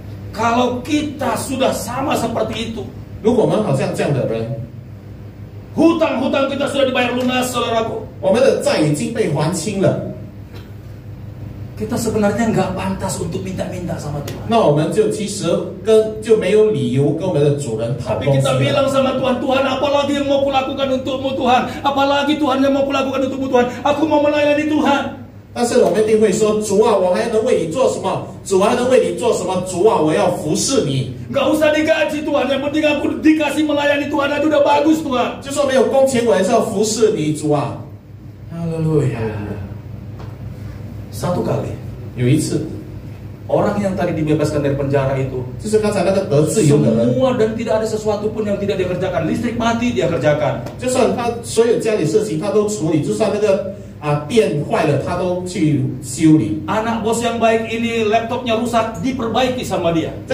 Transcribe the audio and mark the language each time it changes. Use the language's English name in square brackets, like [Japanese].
[Indonesian] Kalau kita sudah sama seperti itu， [Chinese] 如果我们好像这样的人， [Indonesian] hutang-hutang kita sudah dibayar lunas, saudaraku， [Chinese] 我们的债已经被还清了， [Indonesian] kita sebenarnya enggak pantas untuk minta-minta sama Tuhan. [Chinese] 那我们就其实就没有理由跟我们的主人讨东西了。 [Indonesian] Tapi kita bilang sama Tuhan, Tuhan apalagi yang mau kulakukan untukmu Tuhan, apalagi Tuhan yang mau kulakukan untukmu Tuhan, aku mau melayani Tuhan. [Chinese] 但是我们一定会说, 主啊, 我还能为你做什么?主啊能为你做什么？主啊，我要服侍你。 [Indonesian] Gak usah digaji Tuhan, yang penting aku dikasih melayani Tuhan aja udah bagus Tuhan. [Chinese] 就说没有工钱，我还是要服侍你，主啊。 [Indonesian] Haleluya. Satu kali, [Chinese] 有一次, [Indonesian] orang yang tadi dibebaskan dari penjara itu, [Chinese] 就是刚才那个得自由的人, [Indonesian] semua dan tidak ada sesuatu pun yang tidak dikerjakan, listrik mati dia kerjakan. [Chinese] 就算他所有家里事情他都处理，就算那个 电坏了他都去修理。 [Indonesian] Anak bos yang baik ini laptopnya rusak diperbaiki sama dia.